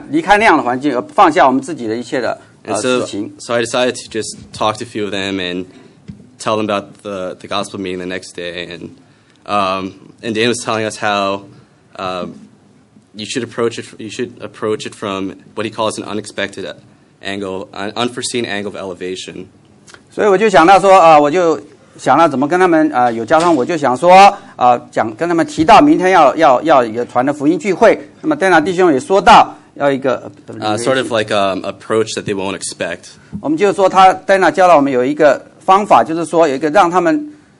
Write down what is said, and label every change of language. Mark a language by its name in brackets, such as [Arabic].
[Chinese] 所以那我就想起了丹娜弟兄所说的，我们要离开自己好像受保护，所觉得舒服的一个环境，所以要试着离开那样的环境，而放下我们自己的一切的。 [English] And so I decided to just talk to a few of them and tell them about the gospel meeting the next day. And Dan was telling us how you should approach it from what he calls an unexpected angle, an unforeseen angle of elevation. [Chinese] 所以我就想到说，我就想了怎么跟他们有交通，我就想说，讲跟他们提到明天要有传的福音聚会。那么丹娜弟兄也说到。 [English] Sort of like an approach that they won't expect. [Chinese] 我们就是说，他戴娜教了我们有一个方法，就是说有一个让他们